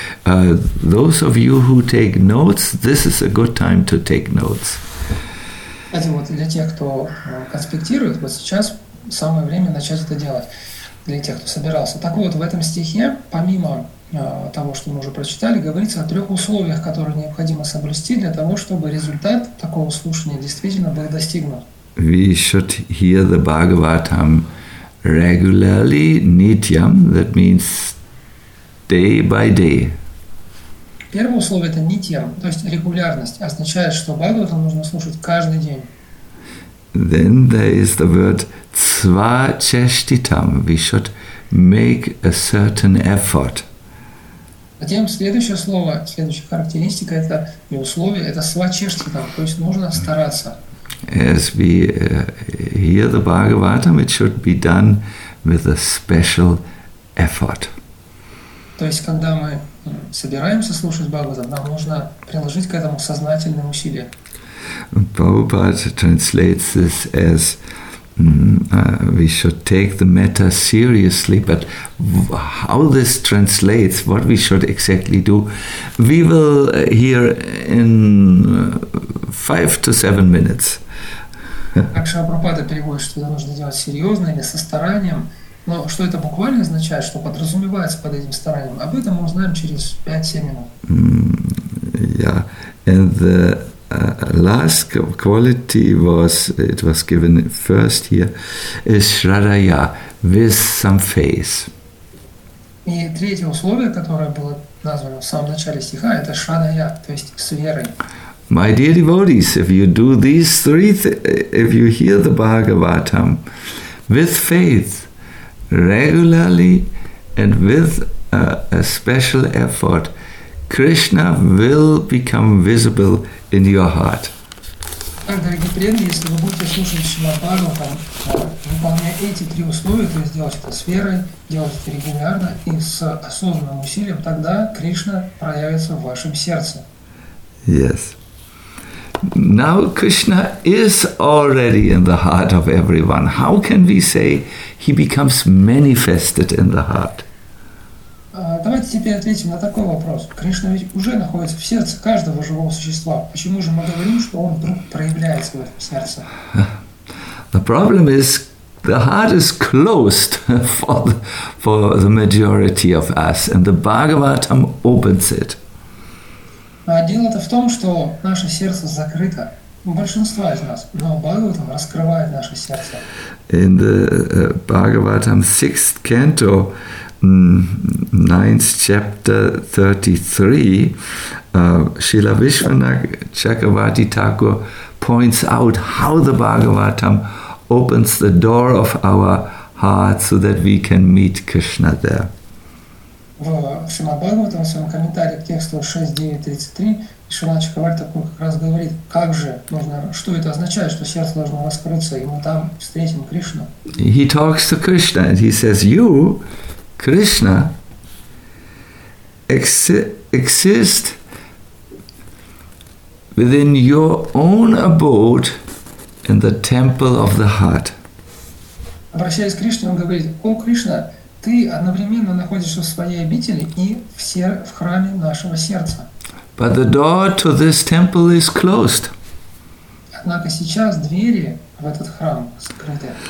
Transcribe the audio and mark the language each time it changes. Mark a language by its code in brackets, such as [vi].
[en] Those of you who take notes, this is a good time to take notes. [ru] Вот для тех, кто конспектирует, вот сейчас самое время начать это делать. Для тех, кто собирался. Так вот, в этом стихе, помимо того, что мы уже прочитали, говорится о трех условиях, которые необходимо соблюсти для того, чтобы результат такого слушания действительно был достигнут. [en] We should hear the Bhagavatam regularly, nityam, that means day by day. [ru] Первое условие – это nityam, то есть регулярность, означает, что Бхагаватам нужно слушать каждый день. [en] Then there is the word svacheshtitam. We should make a certain effort. [ru] Затем следующее слово, следующая характеристика – это не условие, это svacheshtitam, то есть нужно стараться. [en] As we hear the Bhagavatam, it should be done with a special effort. [ru] То есть когда мы собираемся слушать Бхагаватам, нам нужно приложить к этому сознательное усилие. [en] Prabhupada translates this as we should take the metta seriously, but how this translates, what we should exactly do, we will hear in 5 to 7 minutes. [ru] Так что Прабхупада переводит, что это нужно делать серьезно или со старанием, но что это буквально означает, что подразумевается под этим старанием, об этом мы узнаем через 5-7 минут. [en] Yeah, and the last quality was, it was given first here, is Shraddha, with some faith. [ru] И третье условие, которое было названо в самом начале стиха, это Shraddha, то есть с верой. [en] My dear devotees, if you do these three, if you hear the Bhagavatam with faith, regularly and with a special effort, Krishna will become visible in your heart. [ru] Так, дорогие преданные, если вы будете слушать Шримад-Бхагаватам, выполняя эти три условия, то есть делать это с верой, делать это регулярно и с осознанным усилием, тогда Кришна проявится в вашем сердце. [en] Yes. Now Krishna is already in the heart of everyone. How can we say he becomes manifested in the heart? [ru] Давайте теперь ответим на такой вопрос. Кришна ведь уже находится в сердце каждого живого существа. Почему же мы говорим, что он вдруг проявляется в этом сердце? [en] The problem is the heart is closed for the majority of us, and the Bhagavatam opens it. [ru] Дело-то в том, что наше сердце закрыто. Большинство из нас, но Бхагаватам раскрывает наше сердце. [en] In the Bhagavatam 6th canto, 9th chapter 33, Srila Vishwanath Chakravarti Thakur points out how the Bhagavatam opens the door of our heart so that we can meet Krishna there. [ru] В Шримад-Бхагаватам, в своем комментарии к тексту 6.9.33, Шриман Чакраварти Такур как раз говорит, как же нужно, что это означает, что сердце должно раскрыться, и мы там встретим Кришну. [en] He talks to Krishna, and he says, you, Krishna exists within your own abode in the temple of the heart. [ru] Обращаясь к Кришне, он говорит: «О Кришна, ты одновременно находишься в своей обители и в храме нашего сердца». [en] But the door to this temple is closed. [ru] Однако сейчас двери в этот храм закрыты.